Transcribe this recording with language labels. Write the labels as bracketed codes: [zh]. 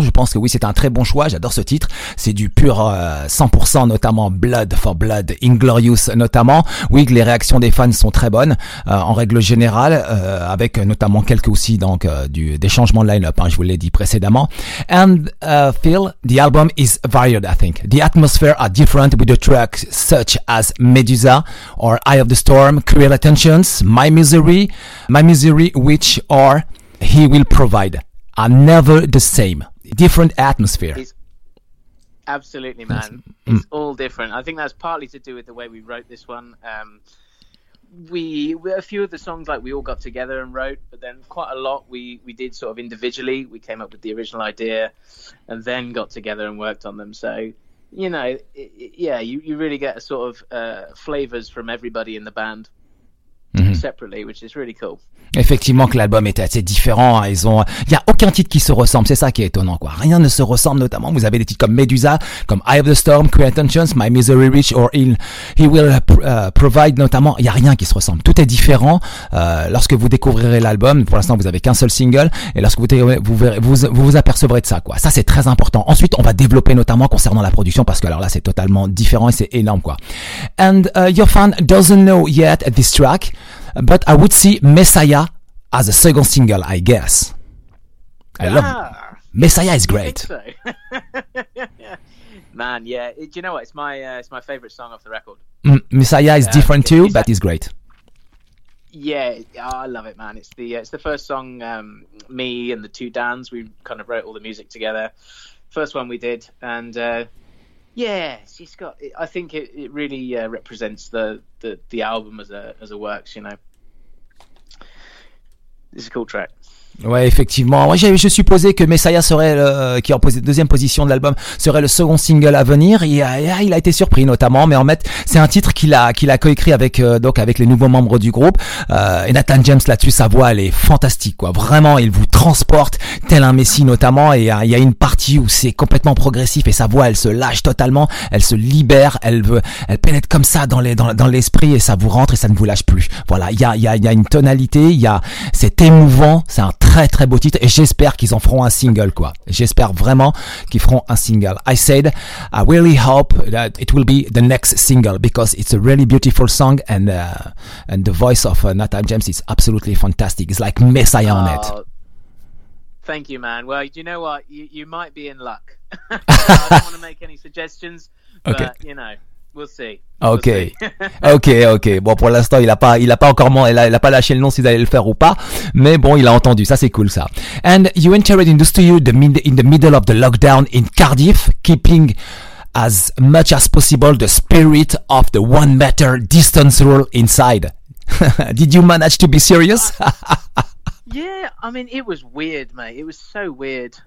[fr] Je pense que oui, c'est un très bon choix. J'adore ce titre. C'est du pur 100% notamment Blood for Blood, Inglorious notamment. Oui, les réactions des fans sont très bonnes en règle générale, avec notamment quelques aussi donc des changements de line-up, hein, je vous l'ai dit précédemment. [en] And Phil, the album is varied, I think. The atmosphere are different with the tracks such as Medusa or Eye of the Storm, Cruel Attentions, My Misery, which are he will provide, are never the same. Different atmosphere. Absolutely, man. It's all different. I think that's partly to do with the way we wrote this one. we a few of the songs like we all got together and wrote, but then quite a lot we did sort of individually. We came up with the original idea and then got together and worked on them. So, you know, you really get a sort of flavors from everybody in the band. Separately, which is really cool. [fr] Effectivement que l'album est assez différent, ils ont, y a aucun titre qui se ressemble, c'est ça qui est étonnant quoi. Rien ne se ressemble, notamment vous avez des titres comme Medusa, comme Eye of the Storm, Queer Intentions, My Misery Rich or He Will Provide, notamment il y a rien qui se ressemble, tout est différent. Lorsque vous découvrirez l'album, pour l'instant vous avez qu'un seul single, et lorsque vous apercevrez de ça quoi, ça c'est très important. Ensuite on va développer notamment concernant la production, parce que alors là c'est totalement différent et c'est énorme quoi. [en] And your fan doesn't know yet this track, but I would see Messiah as a second single, I guess. I love Messiah is great. So? Man, yeah. Do you know what? It's my favorite song off the record. Messiah is different too, but it's great. Yeah, I love it, man. It's the first song me and the two Dans, we kind of wrote all the music together. First one we did, and yeah, she's got. I think it really represents the album as a works, you know. It's a cool track. [fr] Ouais, effectivement. Moi, je supposais que Messiah serait qui est en deuxième position de l'album, serait le second single à venir. Il a été surpris, notamment. Mais en fait, c'est un titre qu'il a coécrit avec les nouveaux membres du groupe. Et Nathan James là-dessus, sa voix, elle est fantastique, quoi. Vraiment, il vous transporte tel un messie, notamment. Et il y a une partie où c'est complètement progressif et sa voix, elle se lâche totalement. Elle se libère. Elle pénètre comme ça dans l'esprit et ça vous rentre et ça ne vous lâche plus. Voilà. Il y a une tonalité. C'est émouvant. C'est un très très beau titre et j'espère qu'ils en feront un single quoi. J'espère vraiment qu'ils feront un single. [en] I said I really hope that it will be the next single because it's a really beautiful song and the voice of Nathan James is absolutely fantastic. It's like Messiah on it. Thank you, man. Well, you know what? You might be in luck. I don't want to make any suggestions, okay. But you know. We'll see. [fr] Ok, ok. Bon, pour l'instant, il a pas lâché le nom s'il allait le faire ou pas. Mais bon, il a entendu. Ça, c'est cool, ça. [en] And you entered in the studio in the middle of the lockdown in Cardiff, keeping as much as possible the spirit of the 1 meter distance rule inside. Did you manage to be serious? Yeah, I mean, it was weird, mate. It was so weird.